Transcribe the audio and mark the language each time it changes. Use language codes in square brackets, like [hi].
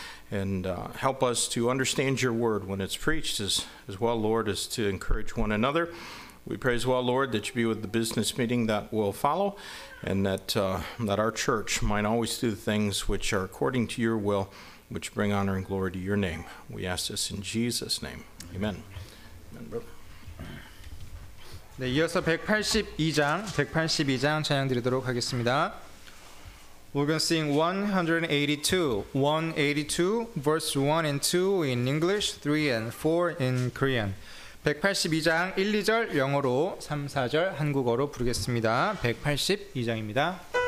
[en] And help us to understand your word when it's preached as well, Lord, as to encourage one another. We pray as well, Lord, that you be with the business meeting that will follow, and that that our church might always do the things which are according to your will, which bring honor and glory to your name. We ask this in Jesus' name. Amen. Amen, brother. [ko] 네, 이어서 182장 찬양 드리도록 하겠습니다. [en] We're going to sing 182, verse 1 and 2 in English, 3 and 4 in Korean. [ko] 182장 1, 2절 영어로, 3, 4절 한국어로 부르겠습니다. 182장입니다.